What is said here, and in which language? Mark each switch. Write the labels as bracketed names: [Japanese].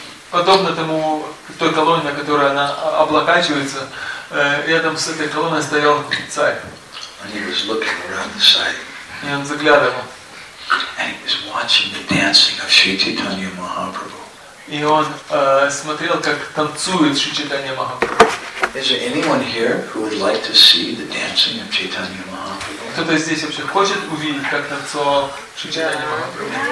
[Russian] Подобно тому той колонне, на которой она облокачивается, рядом с этой колонной стоял царь. [English] And he was looking around the side. [Russian] И он заглядывал. [English] And he was watching the dancing of Sri Chaitanya Mahaprabhu. [Russian] И он смотрел, как танцует Шри Чайтанья Махапрабху. [English] Is there anyone here who would like to see the dancing of Chaitanya Mahaprabhu? [Russian] Кто-то здесь вообще хочет увидеть, как танцевал Шри Чайтанья Махапрабху?